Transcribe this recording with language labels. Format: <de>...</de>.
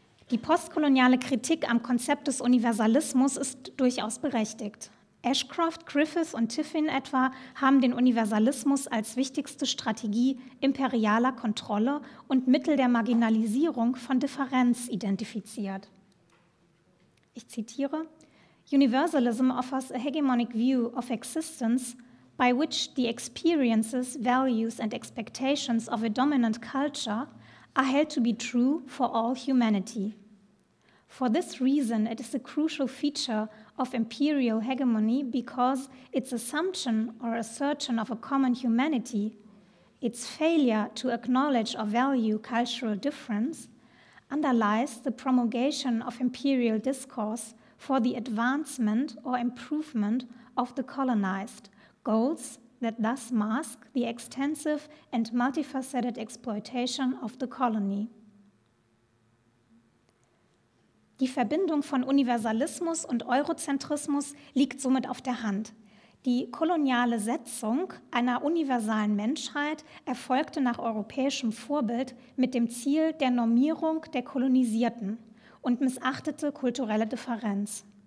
<de>Die postkoloniale Kritik am Konzept des Universalismus ist durchaus berechtigt. Ashcroft, Griffith und Tiffin etwa haben den Universalismus als wichtigste Strategie imperialer Kontrolle und Mittel der Marginalisierung von Differenz identifiziert. Ich zitiere,</de> <en>Universalism offers a hegemonic view of existence by which the experiences, values and expectations of a dominant culture are held to be true for all humanity. For this reason, it is a crucial feature of imperial hegemony because its assumption or assertion of a common humanity, its failure to acknowledge or value cultural difference, underlies the promulgation of imperial discourse for the advancement or improvement of the colonized, goals that thus mask the extensive and multifaceted exploitation of the colony.</en> <de>Die Verbindung von Universalismus und Eurozentrismus liegt somit auf der Hand. Die koloniale Setzung einer universalen Menschheit erfolgte nach europäischem Vorbild mit dem Ziel der Normierung der Kolonisierten und missachtete kulturelle Differenz.</de>